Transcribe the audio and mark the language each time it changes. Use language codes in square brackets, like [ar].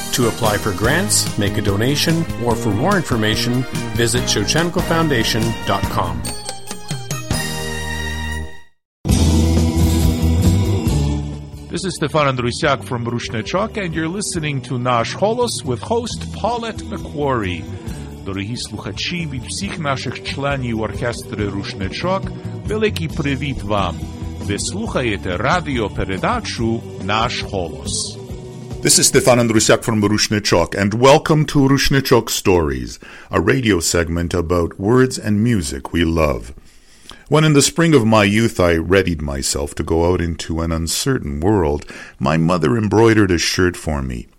[en] To apply for grants, make a donation, or for more information, visit ShevchenkoFoundation.com. This is Stefan Andrusiak from Rushnechok, and you're listening to Nash Holos with host Paulette McQuarrie. [uk] Дорогі слухачі, від всіх наших членів оркестри Рушнечок, великий привіт вам. Ви слухаєте радіопередачу Наш Голос. [en] This is Stefan Andrusiak from Rushnechok, and welcome to Rushnechok Stories, a radio segment about words and music we love. When in the spring of my youth I readied myself to go out into an uncertain world, my mother embroidered a shirt for me.